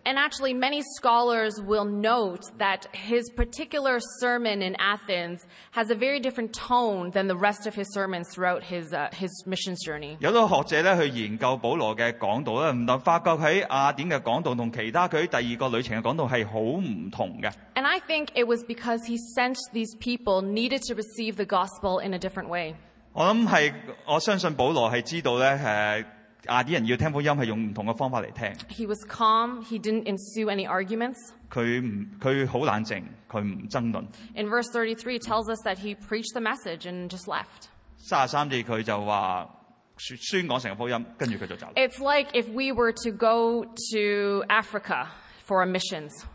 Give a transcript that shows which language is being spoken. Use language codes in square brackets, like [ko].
[en] And actually, many scholars will note that his particular sermon in Athens has a very different tone than the rest of his sermons throughout his missions journey. [yue] 有啲學者咧去研究保羅嘅講道咧，唔同發覺喺雅典嘅講道同其他佢第二個旅程嘅講道係好唔同嘅。 [en] And I think it was because he sensed these people needed to receive the gospel in a different way. [yue] 我相信保羅係知道咧亞啲人要聽福音係用唔同嘅方法嚟聽。 [en] He was calm. He didn't ensue any arguments. [yue] 佢好冷靜，佢唔爭論。 [en] In verse 33, tells us that he preached the message and just left. [yue] 33節佢就話宣講成個福音，跟住佢就走。 [en] It's like if we were to go to Africa for a missions.